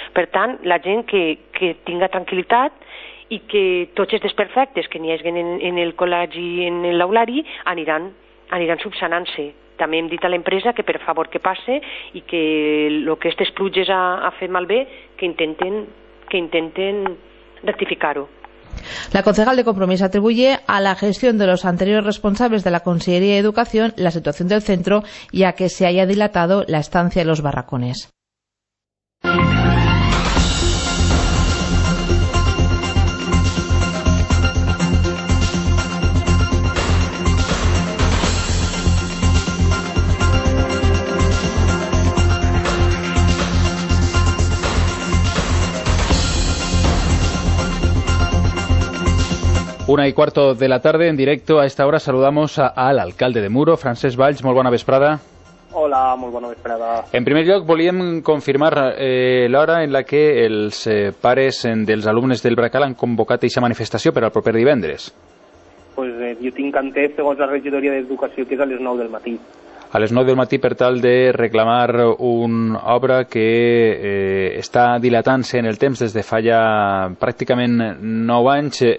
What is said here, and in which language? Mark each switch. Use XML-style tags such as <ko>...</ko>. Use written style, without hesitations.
<ca>Per tant, la gent que tinga tranquil·litat i que tots els desperfectes que n'hi hagin en el col·legi i en l'aulari aniran subsanant-se. També hem dit a l'empresa que per favor que passe i que el que aquestes pluges ha fet malbé, que intenten rectificar-ho.</ca> <es>La concejal de Compromís atribuye a la gestión de los anteriores responsables de la Consellería de Educación la situación del centro y a que se haya dilatado la estancia en los barracones. Una y cuarto de la tarde, en directo a esta hora, saludamos al alcalde de Muro, Francesc Valls.</es> <ca>Molt bona vesprada. Hola, molt bona vesprada. En primer lloc, volíem confirmar l'hora en la que els pares dels alumnes del Bracal han convocat aquesta manifestació per al proper divendres. Pues jo tinc entès, segons la regidoria d'Educació, que és a les 9 del matí. A les 9 del matí, per tal de reclamar una obra que està dilatant-se en el temps des de fa ja pràcticament 9 anys.</ca>